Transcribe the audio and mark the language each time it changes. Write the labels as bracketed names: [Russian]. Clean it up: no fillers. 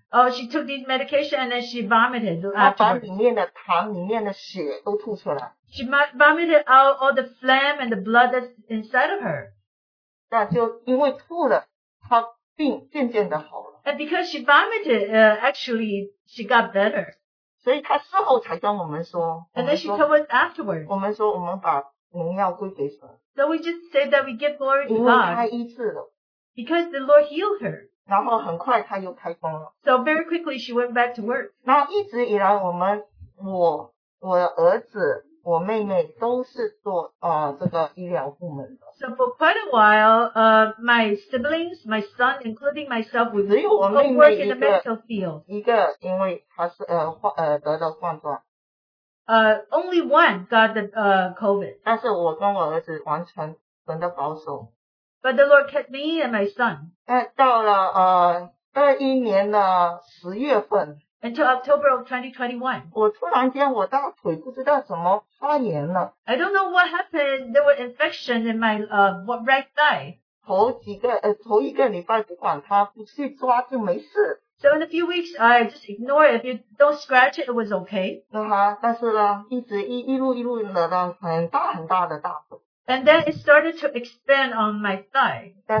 [English] she took these medication and then she vomited. She vomited out all the phlegm and the blood that's inside of her. [Chinese] 那就因为吐了, 渐渐地好了, [English] and because she vomited, actually, she got better. [Chinese] 所以她事后才跟我们说, [English] and then she told us afterwards. [Chinese] 我们说我们把荣耀归给神, [English] so we just say that we give glory to God. Because the Lord healed her. [Chinese] 然后很快她又开工了, [English] so very quickly she went back to work. [Chinese] 那一直以来我们, 我儿子, 我妹妹都是做, 这个医疗部门的。 [English] So for quite a while, my siblings, my son, including myself, we work in the medical field. [Chinese] 一个因为他是得了冠状。 [English] Only one got the COVID. [Chinese] 但是我跟我儿子完全得保守。 [English] But the Lord kept me and my son. [Chinese] 到了, 21年的10月份, [English] until October of 2021. [Chinese] 我突然间我大腿不知道怎么发炎了。 [English] I don't know what happened. There were infections in my right thigh. [Chinese] 头一个礼拜不管它不去抓就没事。 [English] So in a few weeks, I just ignore it. If you don't scratch it, it was okay. [Chinese] 但是呢，一直一路一路的很大很大的大腿。 [English] And then it started to expand on my thigh.